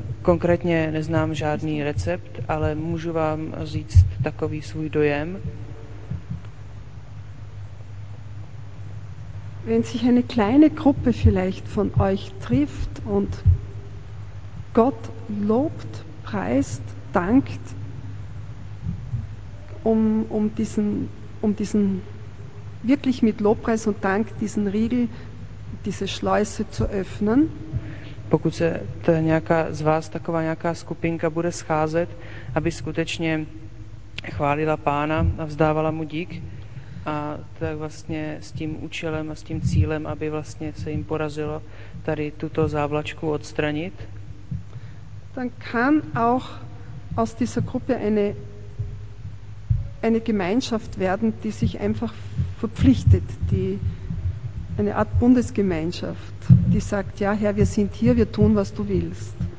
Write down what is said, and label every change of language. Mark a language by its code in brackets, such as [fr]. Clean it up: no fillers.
[cs] Konkrétně neznám žádný recept, ale můžu vám říct takový svůj dojem. [de] Wenn sich eine kleine Gruppe vielleicht von euch trifft und Gott lobt, preist, dankt um diesen wirklich mit Lobpreis und Dank diesen Riegel, diese Schleuse zu öffnen. [cs] Pokud se ta nějaká z vás taková nějaká skupinka bude scházet, aby skutečně chválila Pána a vzdávala mu dík. a tak vlastně s tím účelem a s tím cílem, aby vlastně se jim porazilo tady tuto závlačku odstranit. [de] Dann kann auch aus dieser Gruppe eine Gemeinschaft werden, die sich einfach verpflichtet, die eine Art Bundesgemeinschaft, die sagt, ja, Herr, wir sind hier, wir tun, was du willst.